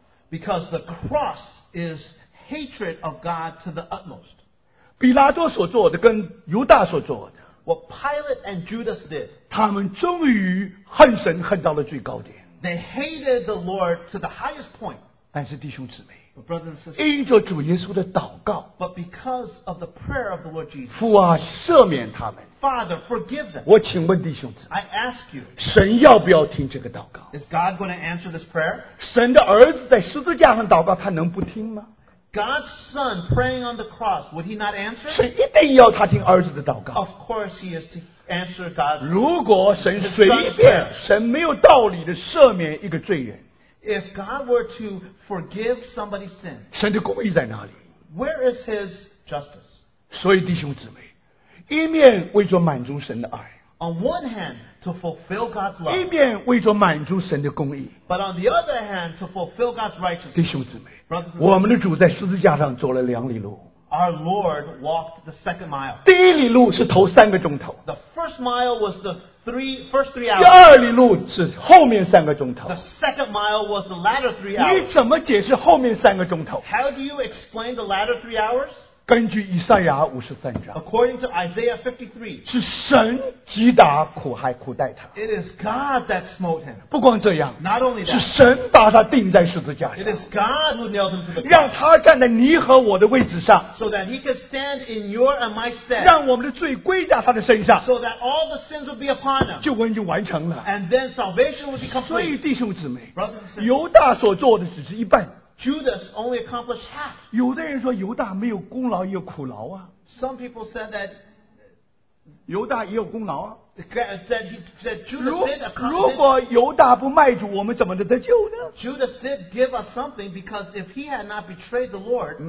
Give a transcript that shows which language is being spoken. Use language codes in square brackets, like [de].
[en] because the cross is hatred of God to the utmost. [zh] 比拉多所做的跟犹大所做的, [en] what Pilate and Judas did, [zh] 他们终于恨神恨到了最高点, [en] they hated the Lord to the highest point. [zh] 但是弟兄姊妹, [en] but brothers and sisters, [zh] 因着主耶稣的祷告, [en] but because of the prayer of the Lord Jesus, [zh] 父啊, 赦免他们, [en] Father, forgive them. [zh] 我请问弟兄姊妹, [en] I ask you, [zh] 神要不要听这个祷告? [en] Is God going to answer this prayer? [zh] 神的儿子在十字架上祷告, 他能不听吗? [en] God's son praying on the cross, would he not answer? [zh] 神一定要他听儿子的祷告。 [en] Of course he is to answer God's prayer. [zh] 如果神随便, 神没有道理地赦免一个罪人, [en] if God were to forgive somebody's sin, [zh] 神的公义在哪里? [en] Where is his justice? [zh] 所以弟兄姊妹, 一面为着满足神的爱, [en] on one hand, to fulfill God's love, [zh] 一面为着满足神的公义, [en] but on the other hand, to fulfill God's righteousness. [zh] 弟兄姊妹, 我们的主在十字架上走了两里路, [en] our Lord walked the second mile. [zh] 第一里路是头三个钟头, [en] the first mile was the first three hours. The second mile was the latter 3 hours. [zh] 你怎么解释后面三个钟头? [en] How do you explain the latter 3 hours? [zh] 根据以赛亚53章, [en] according to Isaiah 53, [zh] 是神击打苦孩苦待他, [en] it is God that smote him. [zh] 不光这样, [en] not only that, [zh] 是神把他钉在十字架上, [en] it is God who nailed him to the cross, [zh] 让他站在你和我的位置上, [en] so that he could stand in your and my stead, [zh] 让我们的罪归在他的身上, [en] so that all the sins would be upon him, [zh] 救恩就完成了, [en] and then salvation would be complete. [zh] 所以弟兄姊妹, [en] brothers and sisters, [zh] 犹大所做的只是一半, [en] Judas only accomplished half. [zh] 有的人说犹大没有功劳也有苦劳啊。 [en] Some people said that [zh] 犹大也有功劳啊。 [en] That Judas did accomplish. [zh] 如果犹大不卖主，我们怎么得救呢？ [en] Judas did give us something because if he had not betrayed the Lord,